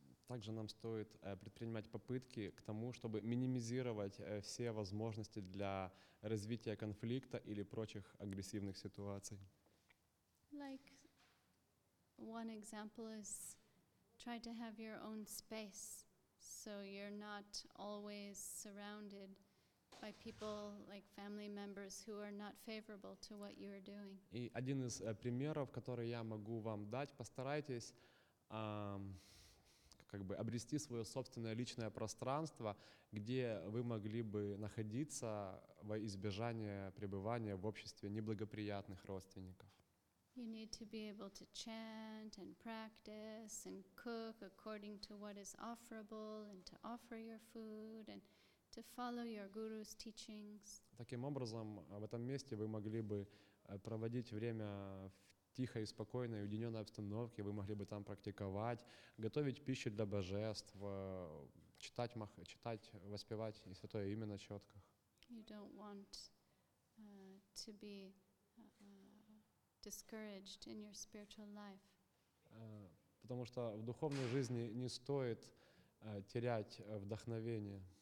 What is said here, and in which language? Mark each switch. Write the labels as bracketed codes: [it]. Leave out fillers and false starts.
[ru] Также нам стоит предпринимать попытки к тому, чтобы минимизировать все возможности для развития конфликта или прочих агрессивных ситуаций. [en] Like one example is try to have your own space, so you're not always surrounded by people like family members who are not favorable to what you are doing. [ru] И один из примеров, который я могу вам дать, постарайтесь как бы обрести свое собственное личное пространство, где вы могли бы находиться во избежание пребывания в обществе неблагоприятных родственников. [en] You need to be able to chant and practice and cook according to what is offerable and to offer your food and to follow your guru's teachings. [ru] Таким образом, в этом месте вы могли бы проводить время в тихой, спокойной, уединенной обстановке, вы могли бы там практиковать, готовить пищу для божеств, читать, воспевать святое имя на четках. [en] You don't want to be discouraged in your spiritual life. [ru] Потому что в духовной жизни не стоит терять вдохновение.